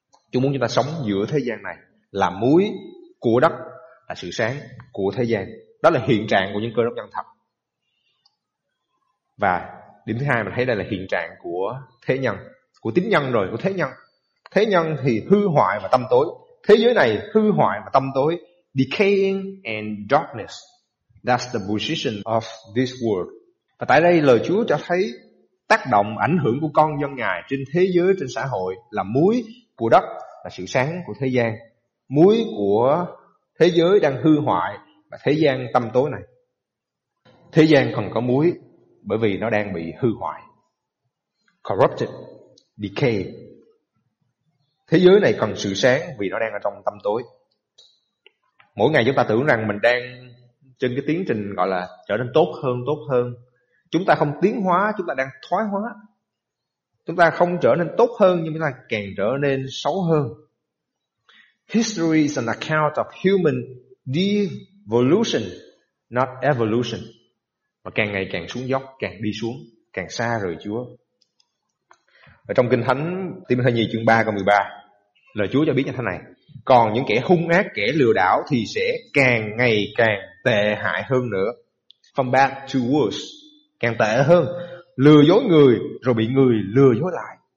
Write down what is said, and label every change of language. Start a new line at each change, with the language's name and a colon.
Vietnamese: Chúa muốn chúng ta sống giữa thế gian này, là muối của đất, là sự sáng của thế gian. Đó là hiện trạng của những cơ đốc nhân thật. Và điểm thứ hai mình thấy đây là hiện trạng của thế nhân, của tín nhân rồi, của thế nhân. Thế nhân thì hư hoại và tâm tối. Thế giới này hư hoại và tâm tối.
English: Decaying and darkness, that's the position of this world.
Vietnamese: Và tại đây lời Chúa cho thấy tác động, ảnh hưởng của con dân Ngài trên thế giới, trên xã hội là muối của đất, là sự sáng của thế gian. Muối của thế giới đang hư hoại và thế gian tâm tối này. Thế gian còn có muối bởi vì nó đang bị hư hoại,
English: corrupted, decay.
Vietnamese: Thế giới này cần sự sáng vì nó đang ở trong tâm tối. Mỗi ngày chúng ta tưởng rằng mình đang trên cái tiến trình gọi là trở nên tốt hơn, tốt hơn. Chúng ta không tiến hóa, chúng ta đang thoái hóa. Chúng ta không trở nên tốt hơn, nhưng chúng ta càng trở nên xấu hơn.
English: History is an account of human devolution, not evolution.
Vietnamese: Và càng ngày càng xuống dốc, càng đi xuống, càng xa rời Chúa. Ở trong Kinh Thánh Timothy 2 chương 3 câu 13, lời Chúa cho biết như thế này: còn những kẻ hung ác, kẻ lừa đảo thì sẽ càng ngày càng tệ hại hơn nữa.
English: From bad to worse,
Vietnamese: càng tệ hơn. Lừa dối người rồi bị người lừa dối lại.